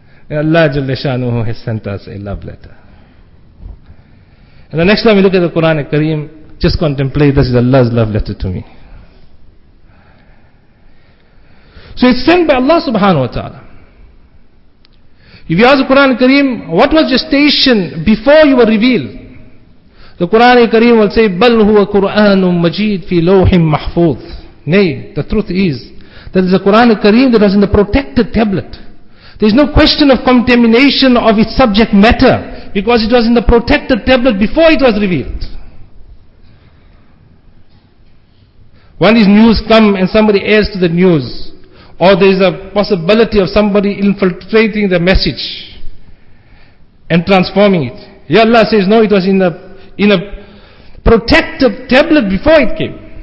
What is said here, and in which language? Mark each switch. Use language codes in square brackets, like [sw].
[en] Allah Jalla Shanuhu has sent us a love letter. And the next time you look at the Quran al-Kareem, just contemplate, this is Allah's love letter to me. So it's sent by Allah subhanahu wa ta'ala. If you ask the Quran al-Kareem, what was your station before you were revealed? The Quran al-Kareem will say, [ar] بَلْ هُوَ قُرْآنٌ مَجِيدٌ فِي لَوْحٍ مَحْفُوظٍ. [en] Nay, the truth is, that is the Quran al-Kareem that was in the protected tablet. There is no question of contamination of its subject matter, because it was in the protected tablet before it was revealed. When is news come and somebody adds to the news, or there is a possibility of somebody infiltrating the message and transforming it, Ya Allah says, no, it was in a protected tablet before it came.